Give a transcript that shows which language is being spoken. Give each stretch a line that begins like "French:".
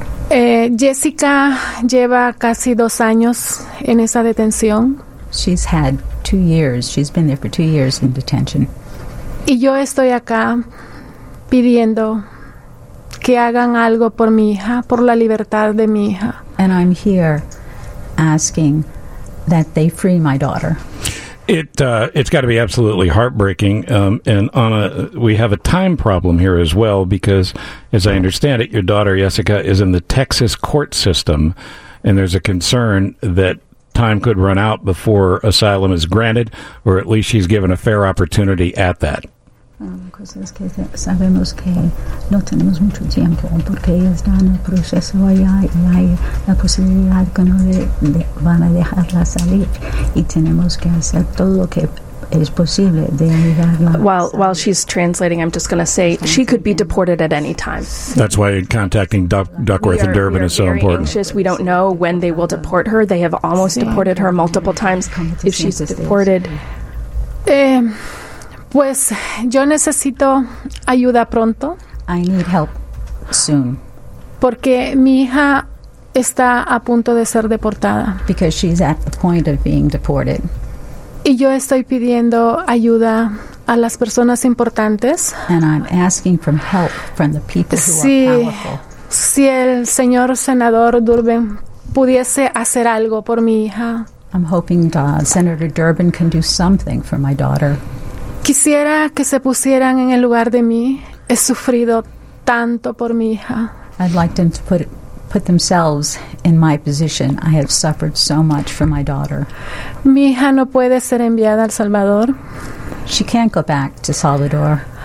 Spanish: Jessica lleva casi 2 años en esa detención.
English: She's had 2 years. She's been there for 2 years in detention.
Spanish: Y yo estoy acá pidiendo que hagan algo por mi hija, por la libertad de mi hija.
English: And I'm here asking that they free my daughter. It's got to be absolutely heartbreaking. And Anna, we have a time problem here as well, because as I understand it, your daughter Jessica is in the Texas court system, and there's a concern that time could run out before asylum is granted, or at least she's given a fair opportunity at that.
Spanish: Cosas que sabemos que no tenemos mucho tiempo porque ella está en el proceso allá y hay la posibilidad que no le van a dejarla salir y tenemos que hacer todo lo que es posible de ayudarla.
English: While she's translating, I'm just going to say she could be deported at any time. That's why contacting Duckworth and Durbin is so important. Anxious. We don't know when they will deport her. They have almost deported her multiple times. If she's deported...
Spanish: Pues, yo necesito ayuda pronto.
English: I need help soon.
Spanish: Porque mi hija está a punto de ser deportada.
English: Because she's at the point of being deported.
Spanish: Y yo estoy pidiendo ayuda a las personas importantes.
English: And I'm asking for help from the people who
Spanish: sí,
English: are powerful.
Spanish: Si el señor senador Durbin pudiese hacer algo por mi hija.
English: I'm hoping Senator Durbin can do something for my daughter.
Spanish: Quisiera que se pusieran en el lugar de mí. He sufrido tanto por mi hija.
English: I'd like them to put themselves in my position. I have suffered so much for my daughter.
Spanish: Mi hija no puede ser enviada al Salvador.
English: She can't go back to Salvador.